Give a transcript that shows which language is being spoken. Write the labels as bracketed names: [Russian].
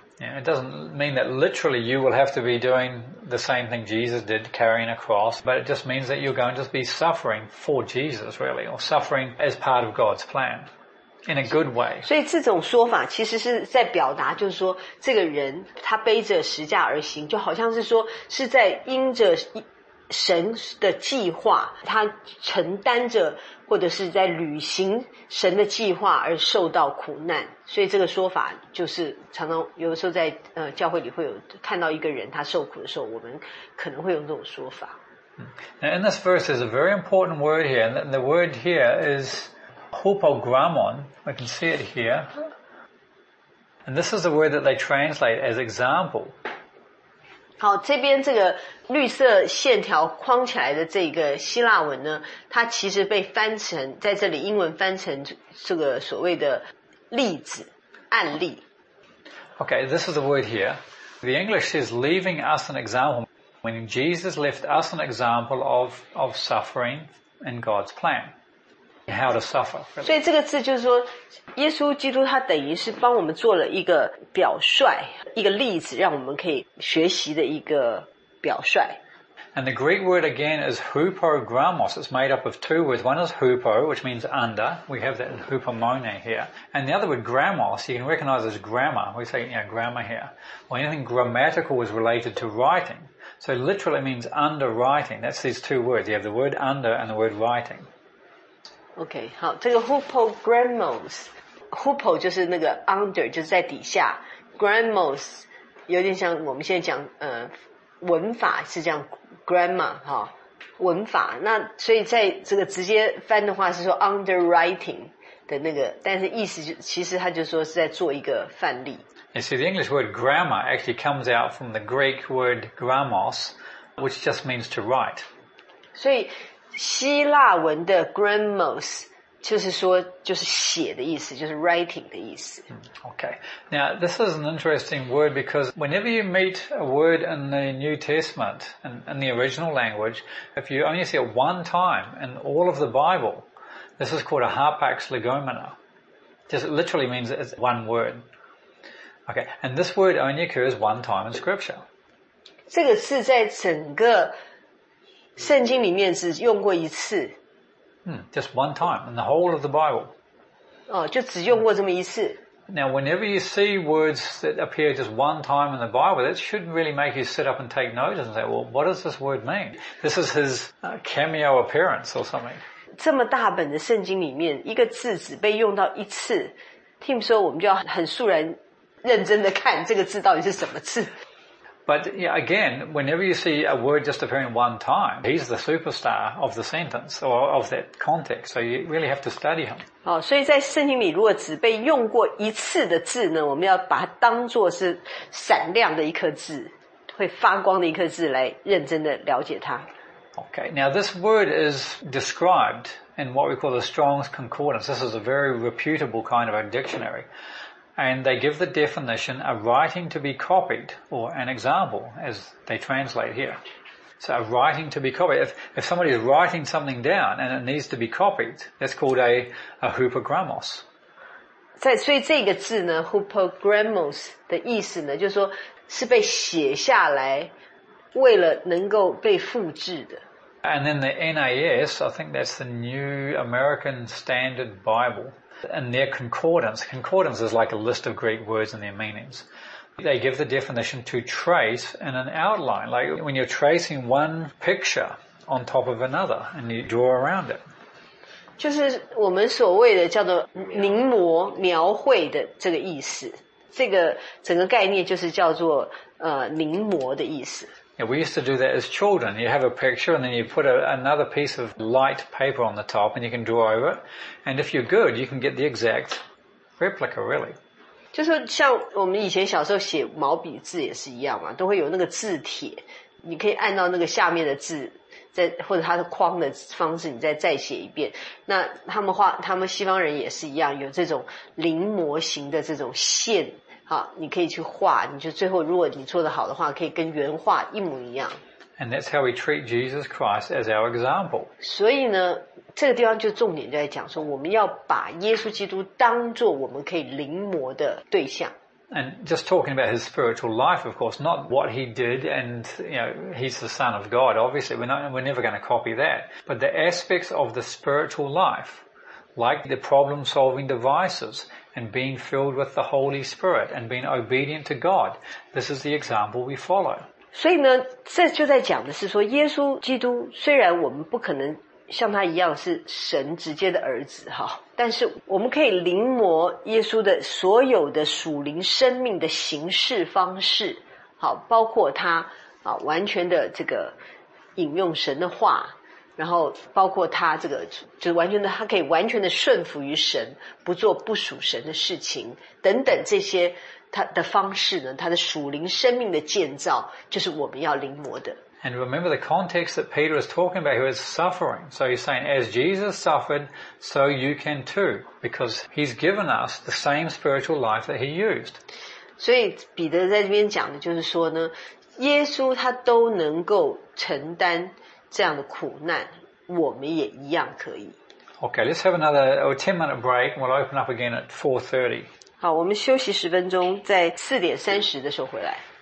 [English] Yeah, it doesn't mean that literally you will have to be doing the same thing Jesus did, carrying a cross, but it just means that you're going to be suffering for Jesus, really, or suffering as part of God's plan, in a good way. [Chinese] 所以这种说法其实是在表达就是说这个人他背着十架而行，就好像是说是在因着神的计划，他承担着或者是在履行神的计划而受到苦难，所以这个说法就是常常有的时候在教会里会有看到一个人他受苦的时候，我们可能会用这种说法。 [English] Now in this verse is a very important word here, and the word here is hupogrammon. I can see it here, and this is the word that they translate as example. [Chinese] 好，这边这个绿色线条框起来的这个希腊文呢，它其实被翻成在这里英文翻成这个所谓的例子案例。 [English] Okay, this is the word here. The English says leaving us an example, meaning Jesus left us an example of suffering in God's plan, how to suffer.、Really. [Chinese] 所以这个字就是说，耶稣基督他等于是帮我们做了一个表率，一个例子，让我们可以学习的一个。 [English] And the Greek word again is hupogrammos. It's made up of two words. One is hupo, which means under. We have that in hupomone here. And the other word, grammos, you can recognize as grammar. We say, you know, grammar here. Well, anything grammatical is related to writing. So literally it means underwriting. That's these two words. You have the word under and the word writing. [Chinese] Okay, 好，这个 hupogrammos, hupo 就是那个 under 就是在底下 grandmas 有点像我们现在讲文法是这样 grandma 哈、哦、文法那所以在这个直接翻的话是说 underwriting 的那个但是意思其实他就说是在做一个范例 [English] You see the English word grammar actually comes out from the Greek word grammos which just means to write [Chinese] 所以希腊文的 grammos就是说就是写的意思就是 writing 的意思 [English] Okay, now this is an interesting word because whenever you meet a word in the New Testament and in the original language if you only see it one time in all of the Bible this is called a harpax legomena just literally means it's one word Okay, and this word only occurs one time in scripture [Chinese] 这个是在整个圣经里面只用过一次 [English] Just one time in the whole of the Bible. [Chinese] 哦，就只用过这么一次。 [English] Now, whenever you see words that appear just one time in the Bible, that should really make you sit up and take notice and say, well, what does this word mean? This is his cameo appearance or something. [Chinese] 这么大本的圣经里面，一个字只被用到一次。 Tim 说，我们就要很肃然认真的看这个字到底是什么字。 [English] But yeah, again, whenever you see a word just appearing one time, he's the superstar of the sentence or of that context. So you really have to study him. [Chinese] 哦，所以在圣经里，如果只被用过一次的字呢，我们要把它当作是闪亮的一颗字，会发光的一颗字来认真的了解它。 [English] Okay, now this word is described in what we call the Strong's Concordance. This is a very reputable kind of a dictionary. And they give the definition, a writing to be copied, or an example, as they translate here. So a writing to be copied. If somebody is writing something down and it needs to be copied, that's called a hupogrammos. 所以这个字呢 ,hupogrammos 的意思呢就是说是被写下来为了能够被复制的。 And then the NAS, I think that's the New American Standard Bible. And their concordance. Concordance is like a list of Greek words and their meanings. They give the definition to trace in an outline, like when you're tracing one picture on top of another and you draw around it. [Chinese] 就是我们所谓的叫做临摹描绘的这个意思。这个整个概念就是叫做临摹的意思。 [English] Yeah, we used to do that as children. You have a picture and then you put another piece of light paper on the top and you can draw over it. And if you're good, you can get the exact replica, really. [Chinese] 就是像我们以前小时候写毛笔字也是一样嘛，都会有那个字帖，你可以按照那个下面的字，再或者它的框的方式，你再写一遍。那他们西方人也是一样，有这种临摹型的这种线。好，你可以去画，你就最后如果你做得好的话，可以跟原画一模一样。 [English] And that's how we treat Jesus Christ as our example. [Chinese] 所以呢，这个地方就重点就在讲说，我们要把耶稣基督当作我们可以临摹的对象。 [English] And just talking about his spiritual life, of course, not what he did, and you know, he's the Son of God. Obviously, we're never going to copy that. But the aspects of the spiritual life. Like the problem-solving devices and being filled with the Holy Spirit and being obedient to God. This is the example we follow. [Chinese] 所以呢，这就在讲的是说，耶稣基督虽然我们不可能像他一样是神直接的儿子哈，但是我们可以临摹耶稣的所有的属灵生命的形式方式，好，包括他啊完全的这个引用神的话。然后包括他这个就完全的他可以完全的顺服于神不做不属神的事情等等这些他的方式呢他的属灵生命的建造就是我们要临摹的 [English] And remember the context that Peter is talking about here is suffering So he's saying as Jesus suffered so you can too because he's given us the same spiritual life that he used [Chinese] 所以彼得在这边讲的就是说呢耶稣他都能够承担这样的苦难，我们也一样可以。 [English] Okay, let's have another 10-minute break. We'll open up again at 4:30. [Chinese] 好，我们休息10分钟，在4:30的时候回来。